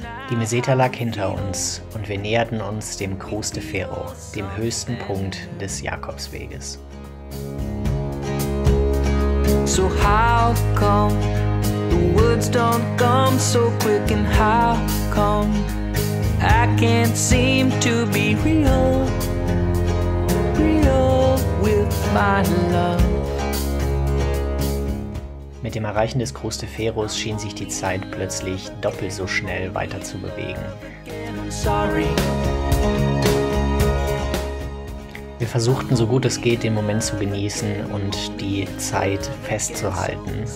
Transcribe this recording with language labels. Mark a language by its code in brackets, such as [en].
[de] Die Meseta lag hinter uns und wir näherten uns dem Cruz de Ferro, dem höchsten Punkt des Jakobsweges. [en] So how come the words don't come so quick and how come I can't seem to be real, real with my love. [de] Mit dem Erreichen des Cruz de Ferro schien sich die Zeit plötzlich doppelt so schnell weiter zu bewegen. Wir versuchten, so gut es geht, den Moment zu genießen und die Zeit festzuhalten.